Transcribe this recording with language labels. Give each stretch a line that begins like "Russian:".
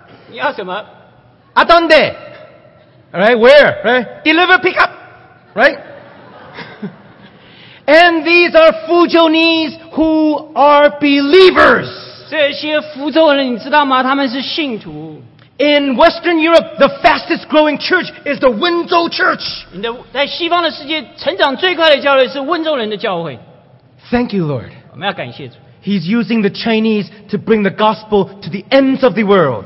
Chinese: 你要什么?
English: Adonde. Right, where? Right? Deliver pickup! Right? And these are Fujianese who are believers!
Chinese: 这些福州人你知道吗?他们是信徒。
English: In Western Europe, the fastest growing church is the Wenzhou Church!
Chinese: 在西方的世界成长最快的教会是温州人的教会。
English: Thank you, Lord.
Chinese: 我们要感谢主。
English: He's using the Chinese to bring the gospel to the ends of the world.